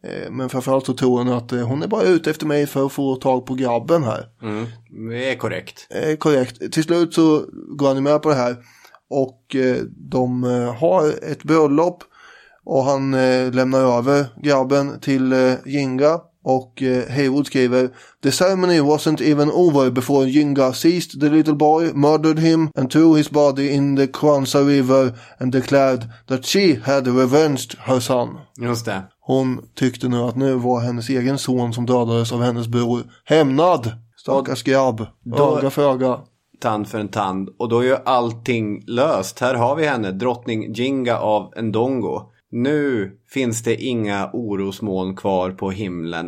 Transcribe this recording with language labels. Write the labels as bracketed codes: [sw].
[sv] Men framförallt så tror hon att hon är bara ute efter mig för att få tag på grabben här. Mm. Det är korrekt. Korrekt. Till slut så går han med på det här. Och de har ett bröllop. Och han lämnar över grabben till Jinga. Och Heywood skriver: [en] "The ceremony wasn't even over before Jinga seized the little boy, murdered him and threw his body in the Kwanza River and declared that she had revenged her son." [sv] Just det. Hon tyckte nu att nu var hennes egen son som dödades av hennes bror hämnad. Stackars grabb. Öga för öga. Tand för en tand. Och då är ju allting löst. Här har vi henne, drottning Jinga av Ndongo. Nu finns det inga orosmoln kvar på himlen.